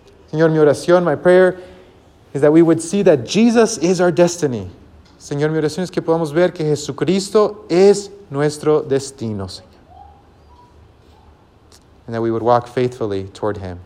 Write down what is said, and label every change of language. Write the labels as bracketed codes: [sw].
[es] Señor, mi oración, [en] my prayer, is that we would see that Jesus is our destiny. [es] Señor, mi oración es que podamos ver que Jesucristo es nuestro destino, Señor. [en] And that we would walk faithfully toward Him.